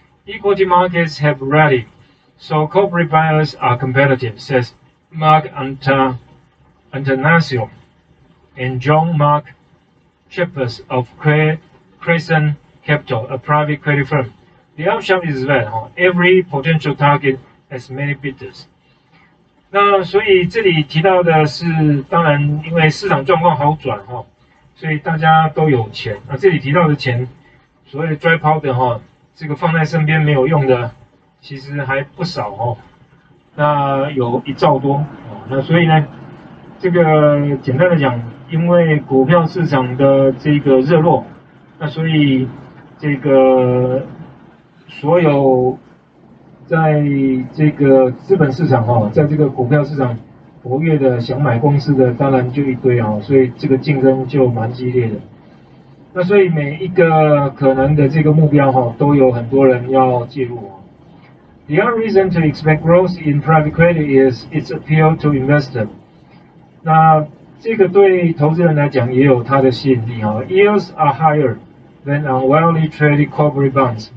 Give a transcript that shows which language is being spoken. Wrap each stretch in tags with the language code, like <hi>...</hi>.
<en>Equity markets have rallied, so corporate buyers are competitive, says Mark Antanasio and John Mark Chippers of Crescent Capital, a private credit firm. The upshot is that every potential targetAs many bidders.</en> <zh>那所以这里提到的是，当然因为市场状况好转哈，所以大家都有钱。那这里提到的钱，所谓的 dry powder 哈，这个放在身边没有用的，其实还不少哦。那有一兆多啊。那所以呢，这个简单的讲，因为股票市场的这个热络，那所以这个所有。在这个资本市场，在这个股票市场活跃的想买公司的当然就一堆，所以这个竞争就蛮激烈的。那所以每一个可能的这个目标都有很多人要介入。</zh> <en>The other reason to expect growth in private credit is its appeal to investors.</en> <zh>那这个对投资人来讲也有它的吸引力。</zh> <en>Yields are higher than on widely traded corporate bonds.</en>